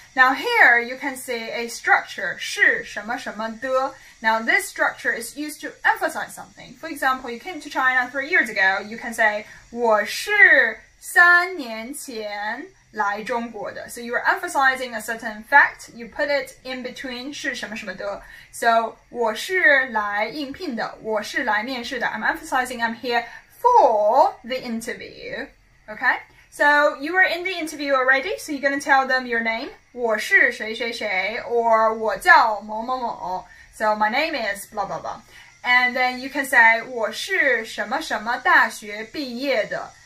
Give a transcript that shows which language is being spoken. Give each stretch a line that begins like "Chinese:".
English: Now here you can see a structure,
Chinese: 是什么什么的.
English: Now this structure is used to emphasize something. For example, you came to China 3 years ago, you can say,
Chinese: 我是 3年前来中国的.
English: So you are emphasizing a certain fact, you put it in between
Chinese: 是什么什么的. So 我是来应聘的,我是来面试的.
English: I'm emphasizing I'm here for the interview. Okay? So you are in the interview already, so you're going to tell them your name,
Chinese: 我是谁谁谁,
English: or
Chinese: 我叫某某某.
English: So my name is blah blah blah. And then you can say
Chinese: 我是什么什么大学毕业的.